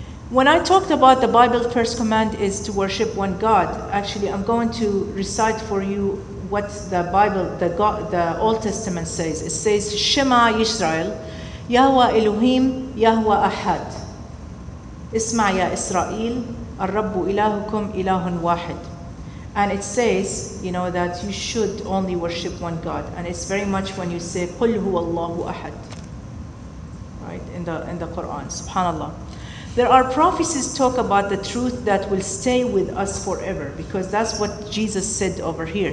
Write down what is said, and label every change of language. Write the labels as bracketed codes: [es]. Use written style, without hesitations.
[en] When I talked about the Bible, first command is to worship one God. Actually, I'm going to recite for you what the Bible, the Old Testament says. [he] It says, Shema Yisrael, Yahweh Elohim, Yahweh Ahad. [ar] اسمع يا إسرائيل الرب إلهكم إله واحد. [en] And it says, you know, that you should only worship one God. And it's very much when you say [ar] قل هو الله أحد, [en] right, in the Quran, subhanAllah. There are prophecies talk about the truth that will stay with us forever, because that's what Jesus said over here.